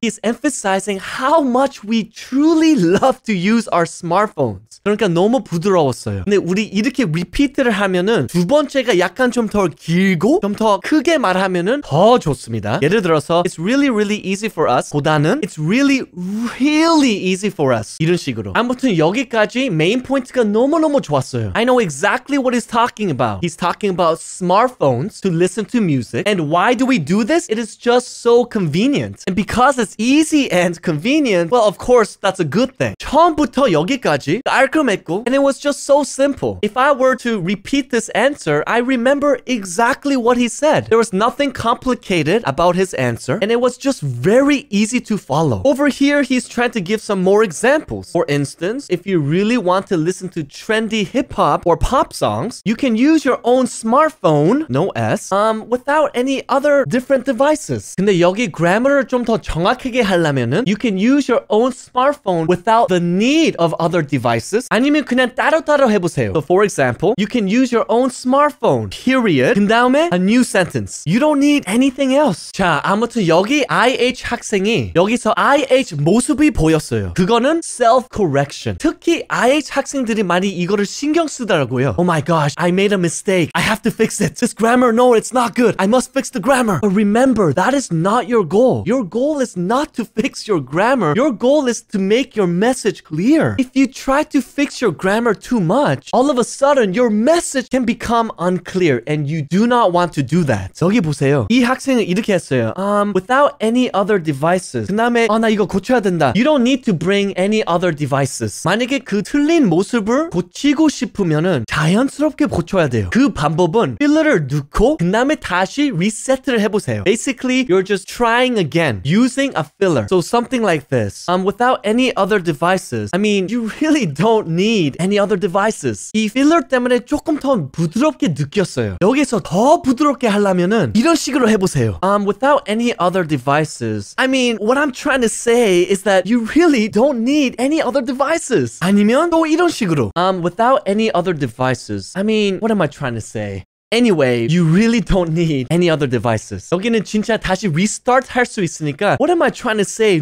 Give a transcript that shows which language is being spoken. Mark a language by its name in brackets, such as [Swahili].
[English] He's emphasizing how much we truly love to use our smartphones. [Korean] 그러니까 너무 부드러웠어요. 근데 우리 이렇게 repeat를 하면은 두 번째가 약간 좀 더 길고 좀 더 크게 말하면은 더 좋습니다. 예를 들어서 [English] It's really, really easy for us 보다는 It's really, really easy for us [Korean] 이런 식으로. 아무튼 여기까지 메인 포인트가 너무너무 좋았어요. [English] I know exactly what he's talking about. He's talking about smartphones to listen to music. And why do we do this? It is just so convenient. And because it's easy and convenient, well, of course, that's a good thing. [Korean] 처음부터 여기까지 깔끔했고 [English] And it was just so simple. If I were to repeat this answer, I remember exactly what he said. There was nothing complicated about his answer, and it was just very easy to follow. Over here, he's trying to give some more examples. For instance, if you really want to listen to trendy hip-hop or pop songs, you can use your own smartphone, no S, without any other different devices. [Korean] 근데 여기 grammar을 좀 더 정확하게 하려면은 [English] you can use your own smartphone without the need of other devices. [Korean] 아니면 그냥 따로따로 해보세요. [English] So for example, you can use your own smartphone, period. [Korean] 그 다음에 [English] a new sentence. You don't need anything else. [Korean] 자, 아무튼 여기 IH 학생이 여기서 IH 모습이 보였어요. 그거는 self-correction. 특히 IH 학생들이 많이 이거를 신경 쓰더라고요. [English] Oh my gosh, I made a mistake. I have to fix it. This grammar, no, it's not good. I must fix the grammar. But remember, that is not your goal. Your goal is not to fix your grammar. Your goal is to make your message clear. If you try to fix your grammar too much, all of a sudden, your message can become unclear and you do not want to do that. [Korean] 여기 보세요. 이 학생은 이렇게 했어요. [English] Without any other devices. [Korean] 그 다음에 나 이거 고쳐야 된다. [English] You don't need to bring any other devices. [Korean] 만약에 그 틀린 모습을 고치고 싶으면은 자연스럽게 고쳐야 돼요. 그 방법은 필러를 넣고 그 다음에 다시 리셋을 해보세요. [English] Basically, you're just trying again using a filler. So something like this. Without any other devices. I mean, you really don't need any other devices. [Korean] 이 필러 때문에 조금 더 부드럽게 느꼈어요. 여기서 더 부드럽게 하려면은 이런 식으로 해보세요. [English] Without any other devices. I mean, what I'm trying to say is that you really don't need any other devices. [Korean] 아니면 또 이런 식으로. [English] Without any other devices. I mean, what am I trying to say? Anyway, you really don't need any other devices. [Korean] 여기는 진짜 다시 restart 할 수 있으니까 [English] What am I trying to say?